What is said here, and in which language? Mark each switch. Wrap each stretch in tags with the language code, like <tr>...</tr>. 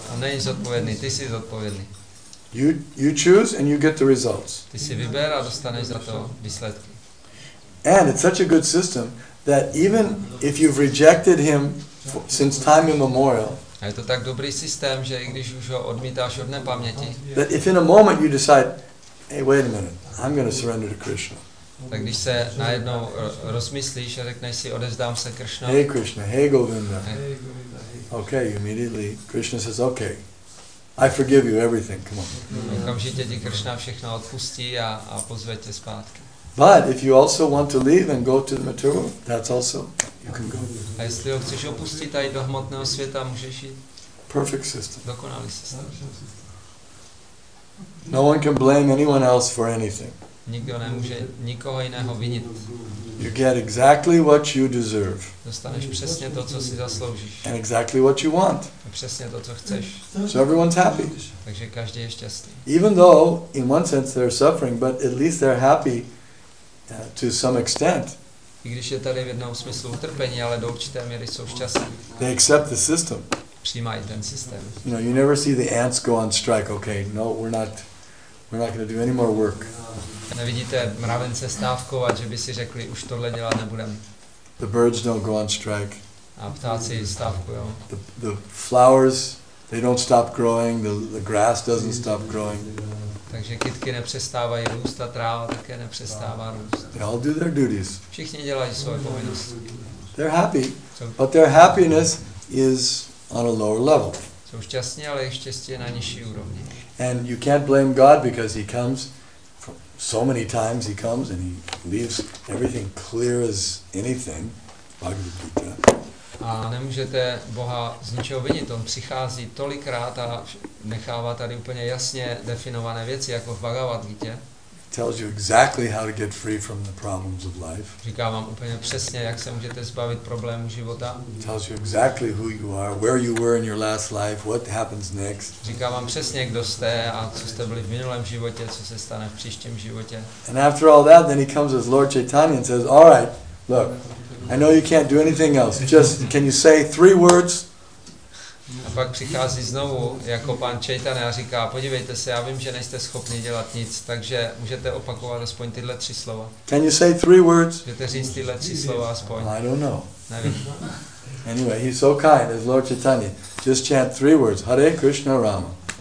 <cs>On není zodpovědný. Ty jsi zodpovědný.</cs> <en>You choose and you get the results.</en> <cs>Ty si vyber a dostaneš za to výsledky.</cs> <en>And it's such a good system that even if you've rejected him since time immemorial.</en> <cs>A je to tak dobrý systém, že i když už ho odmítáš od nepaměti.</cs> <en>That if in a moment you decide, hey, wait a minute, I'm going to surrender to Krishna.</en> <cs>Tak když se najednou rozmyslíš a řekneš si, odevzdám se Krishna.</cs> <en>Hey Krishna, hey Govinda. Hey. Okay, immediately Krishna says, okay, I forgive you everything. Come on.</en> <cs>Okamžitě ti Krishna všechno odpustí a pozve tě zpátky.</cs> <en>But if you also want to leave and go to the material, that's also you can go.</en> <cs>A jestli ho chceš opustit a jít do hmotného světa, můžeš jít.</cs> <en>Perfect system.</en> <cs>Dokonalý systém.</cs> <en>No one can blame anyone else for anything.</en> <cs>Nikdo nemůže nikoho jiného vinit.</cs> <en>You get exactly what you deserve.</en> <cs>Dostaneš přesně to, co si zasloužíš.</cs> <en>And exactly what you want.</en> <cs>Přesně to, co chceš.</cs> <en>So everyone's happy.</en> <cs>Takže každý je šťastný.</cs> <en>Even though in one sense they're suffering, but at least they're happy to some extent.</en> <cs>I když je tady v jednom smyslu utrpení, ale do určité míry jsou šťastní.</cs> <en>They accept the system.</en> <cs>Přijímají ten systém.</cs> <en>You know, you never see the ants go on strike. Okay, no, we're not going to do any more work.</en> <cs>Nevidíte mravence stávkovat, že by si řekli, už tohle dělat nebudem.</cs> <en>The birds don't go on strike.</en> <cs>A ptáci stávkujou.</cs> <en>The flowers, they don't stop growing. The grass doesn't stop growing.</en> <cs>Takže kytky nepřestávají růst a tráva také nepřestává růst.</cs> <en>They all do their duties.</en> <cs>Všichni dělají svoje povinnosti.</cs> <en>They're happy, but their happiness is on a lower level.</en> <cs>Jsou šťastní, ale jejich štěstí je na nižší úrovni.</cs> <en>And you can't blame God because he comes from so many times he comes and he leaves everything clear as anything. Bhagavad Gita.</en> <cs>A nemůžete Boha z ničeho vinit. On přichází tolikrát a nechává tady úplně jasně definované věci jako v Bhagavad Gita.</cs> <en>Tells you exactly how to get free from the problems of life.</en> <cs>Říká vám úplně přesně, jak se můžete zbavit problémů života.</cs> <en>Tells you exactly who you are, where you were in your last life, what happens next.</en> <cs>Říká vám přesně, kdo jste a co jste byli v minulém životě, co se stane v příštím životě.</cs> <en>And after all that, then he comes as Lord Chaitanya and says, "All right, look, I know you can't do anything else. Just can you say three words?"</en> <cs>A pak přichází znovu jako pan Chaitanya a říká, podívejte se, já vím, že nejste schopni dělat nic, takže můžete opakovat aspoň tyhle tři slova.</cs> <en>Can you say three words?</en> <cs>Můžete říct tyhle tři slova aspoň.</cs> <en>I don't know.</en> <cs>Nevím.</cs> <en>Anyway, he's so kind as Lord Chaitanya. Just chant three words: Hare Krishna Rama.</en>